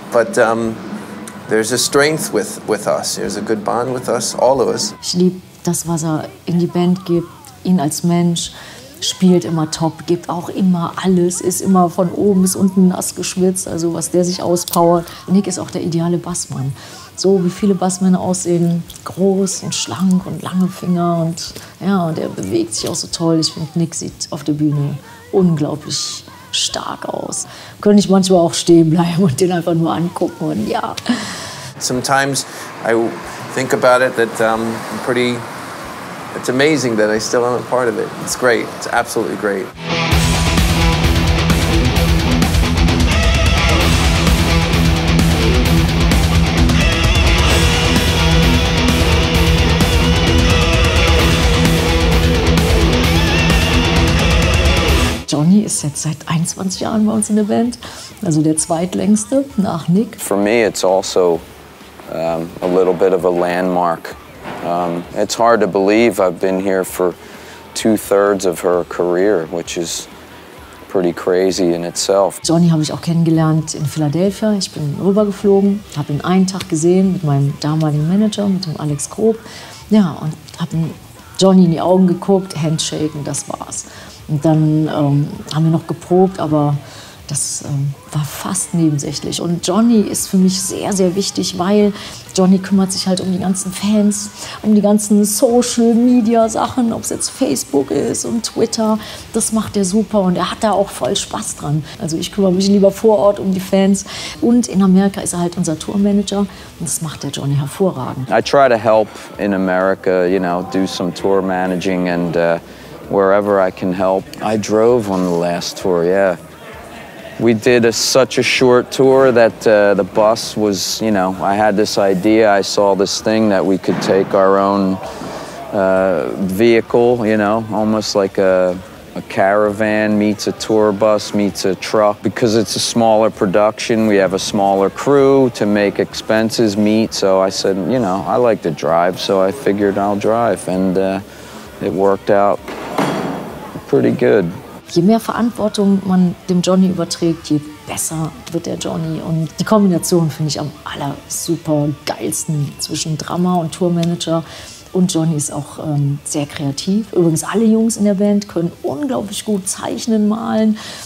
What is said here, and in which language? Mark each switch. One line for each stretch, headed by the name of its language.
English: But there's a strength with us. There's a good bond with us, all of us.
German: Ich liebe das, was er in die Band gibt, ihn als Mensch, spielt immer top, gibt auch immer alles, ist immer von oben bis unten nass geschwitzt, also was der sich auspowert. Nick ist auch der ideale Bassmann. So wie viele Bassmänner aussehen, groß und schlank und lange Finger und ja, und er bewegt sich auch so toll. Ich finde, Nick sieht auf der Bühne unglaublich stark aus. Könnte ich manchmal auch stehen bleiben und den einfach nur angucken und ja.
English: Sometimes I think about it that I'm pretty, it's amazing that I still am a part of it. It's great, it's absolutely great.
German: Johnny ist jetzt seit 21 Jahren bei uns in der Band, also der zweitlängste nach Nick.
English: For me, it's also a little bit of a landmark. It's hard to believe I've been here for 2/3 of her career, which is pretty crazy in itself.
German: Johnny habe ich auch kennengelernt in Philadelphia. Ich bin rübergeflogen, habe ihn einen Tag gesehen mit meinem damaligen Manager, mit dem Alex Grob. Ja, und habe Johnny in die Augen geguckt, Handshake, und das war's. Und dann haben wir noch geprobt, aber das war fast nebensächlich. Und Johnny ist für mich sehr, sehr wichtig, weil Johnny kümmert sich halt um die ganzen Fans, um die ganzen Social-Media-Sachen, ob es jetzt Facebook ist und Twitter. Das macht er super und er hat da auch voll Spaß dran. Also ich kümmere mich lieber vor Ort um die Fans. Und in Amerika ist er halt unser Tourmanager und das macht der Johnny hervorragend.
English: I try to help in America, you know, do some tour managing and wherever I can help. I drove on the last tour, yeah. We did such a short tour that the bus was, you know, I had this idea, I saw this thing that we could take our own vehicle, you know, almost like a caravan meets a tour bus meets a truck. Because it's a smaller production, we have a smaller crew to make expenses meet. So I said, you know, I like to drive, so I figured I'll drive. And it worked out pretty good.
German: Je mehr Verantwortung man dem Johnny überträgt, je besser wird der Johnny. Und die Kombination finde ich am aller super geilsten zwischen Drummer und Tourmanager. Und Johnny ist auch sehr kreativ. Übrigens, alle Jungs in der Band können unglaublich gut zeichnen, malen.